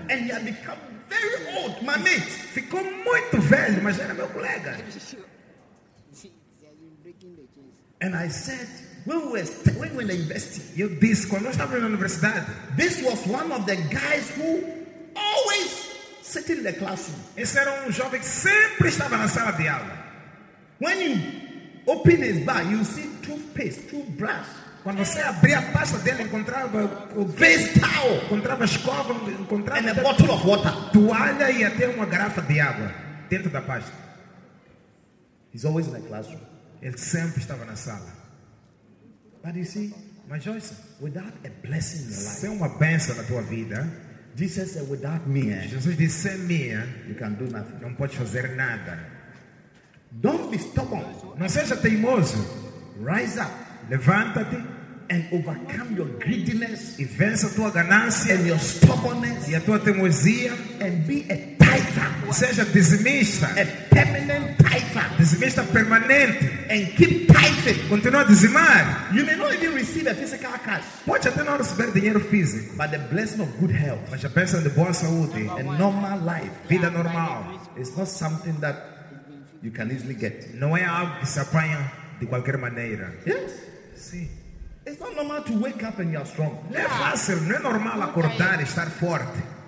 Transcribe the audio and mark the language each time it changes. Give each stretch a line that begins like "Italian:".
English: And he had become very old, my mate.
Portuguese: Ficou muito velho, mas era meu colega.
English: And I said, when we were in the university,
Portuguese: you this quando estava na universidade,
English: this was one of the guys who always sat in the classroom.
Portuguese: Esse era jovem que sempre estava na sala de aula.
English: When you open his bag, you see toothpaste, toothbrush.
Portuguese: Quando você abria a pasta dele, encontrava o
English: face towel,
Portuguese: encontrava escova, encontrava
English: and a bottle of water,
Portuguese: toalha e até uma garrafa de água dentro da pasta.
English: He's always in the classroom.
Portuguese: Ele sempre estava na sala.
English: But you see,
Portuguese: mas Joyce,
English: without a blessing in your life,
Portuguese: sem uma bênção na tua vida,
English: Jesus said, without me,
Portuguese: Jesus disse sem mim,
English: you can do nothing.
Portuguese: Não pode fazer nada.
English: Don't be stubborn.
Portuguese: Não seja teimoso.
English: Rise up.
Portuguese: Levanta-te.
English: and overcome your greediness
Portuguese: e vence a tua ganância
English: and your stubbornness
Portuguese: e a tua teimosia
English: and be a tither,
Portuguese: seja dizimista,
English: a permanent tither,
Portuguese: dizimista permanente,
English: and keep tithing,
Portuguese: continua a dizimar.
English: You may not even receive a physical cash,
Portuguese: pode até não receber dinheiro físico,
English: but the blessing of good health,
Portuguese: mas a bênção de boa saúde,
English: a normal life,
Portuguese: vida normal,
English: it's not something that you can easily get.
Portuguese: Não é algo que se apanha de qualquer maneira.
English: Yes.
Portuguese: Sim.
English: It's not normal to wake up and you are strong.
Portuguese: Não é fácil, não é normal acordar e estar forte.